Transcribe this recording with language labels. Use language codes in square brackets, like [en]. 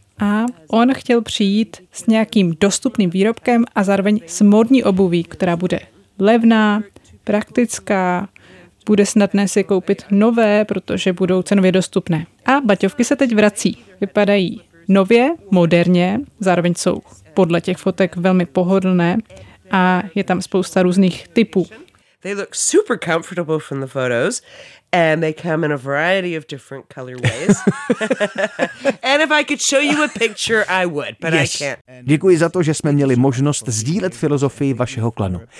[cs] A on chtěl přijít s nějakým dostupným výrobkem a zároveň s módní obuví, která bude levná, praktická, bude snadné si koupit nové, protože budou cenově dostupné. A baťovky se teď vrací. Vypadají nově, moderně, zároveň jsou podle těch fotek velmi pohodlné a je tam spousta různých typů. [en] They look super comfortable from the photos and they come in a variety of different color ways. And if I could show you a picture, I would, but yes. I can't. [cs] Děkuji za to, že jsme měli možnost sdílet filozofii vašeho klanu.